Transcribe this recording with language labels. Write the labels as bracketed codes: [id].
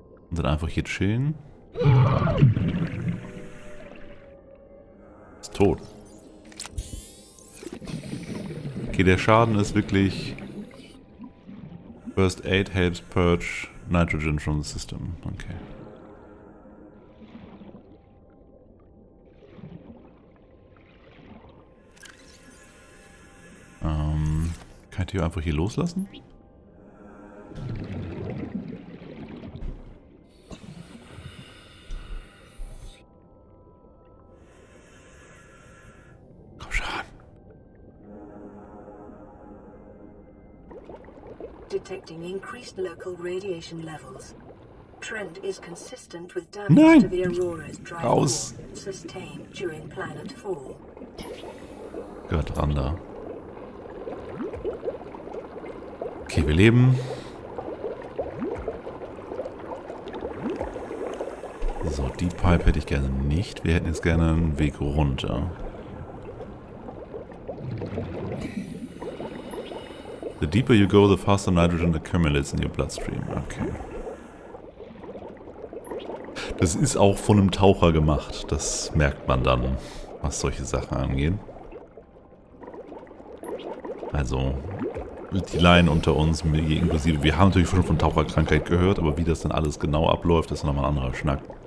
[de] Und dann einfach hier chillen. Ist tot. Okay, der Schaden ist wirklich... [en] First Aid helps purge nitrogen from the system. [de] Okay. Kann ich die einfach hier loslassen? Komm schon. [en] Detecting increased local radiation levels. Trend is consistent with damage to the Aurora's drive core sustained during planet fall. [de] Gehört dran da. Okay, wir leben. So, die Pipe hätte ich gerne nicht. Wir hätten jetzt gerne einen Weg runter. [en] The deeper you go, the faster nitrogen accumulates in your bloodstream. [de] Okay. Das ist auch von einem Taucher gemacht. Das merkt man dann, was solche Sachen angeht. Also... Die Laien unter uns, inklusive, wir haben natürlich schon von Taucherkrankheit gehört, aber wie das denn alles genau abläuft, ist nochmal ein anderer Schnack.